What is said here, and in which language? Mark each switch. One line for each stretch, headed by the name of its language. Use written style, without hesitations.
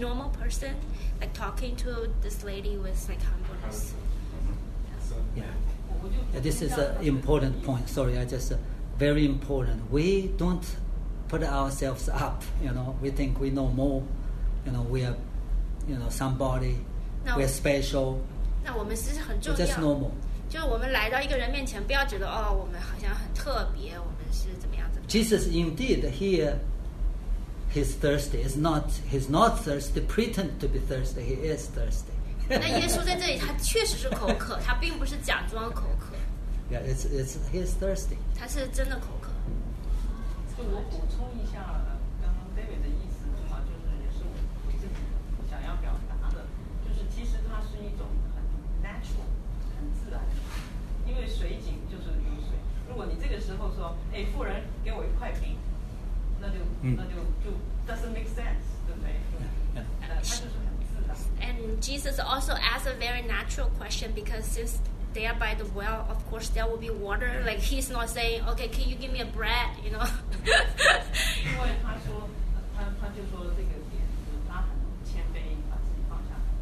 English: Normal person, like talking to this lady with like humbleness. Yeah, this is an important point. Sorry, I just very important. We don't. Put ourselves up, you know. We think we know more, you know. We are, you know, somebody. We are special.
Chinese: 那我们是很重要。
English: Just normal.
Chinese: 就是我们来到一个人面前，不要觉得哦，我们好像很特别，我们是怎么样子。
English: Jesus indeed here, he's thirsty. He's not thirsty. Pretend to be thirsty. He is thirsty.
Chinese: 那耶稣在这里，他确实是口渴，他并不是假装口渴。
English: Yeah, it's he's thirsty.
Chinese: 他是真的口渴。我补充一下刚刚 David 的意思的话，就是也是我自己想要表达的，就是其实它是一种很 natural 很自然的，因为水井就是有水，如果你这个时候说哎，妇人给我一块饼，那就
English: doesn't make sense，
Chinese: 对不对？它就是很自然。
English: And Jesus also asked a very natural question, because since there by the well, of course there will be water, like he's not saying okay, can you give me a bread, you know.
Chinese: 因为他说他就说这个点，就是他很谦卑，把自己放下。